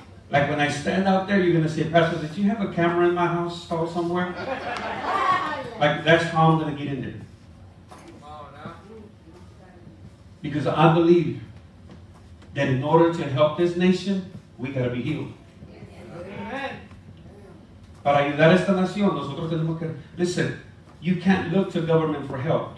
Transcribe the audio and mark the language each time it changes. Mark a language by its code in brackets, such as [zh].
[en] Like when I stand out there, you're going to say, Pastor, did you have a camera in my house or somewhere? Like, that's how I'm going to get in there. Because I believe that in order to help this nation, we got to be healed. [es] Para ayudar a esta nación, nosotros tenemos que... [en] Listen, you can't look to government for help.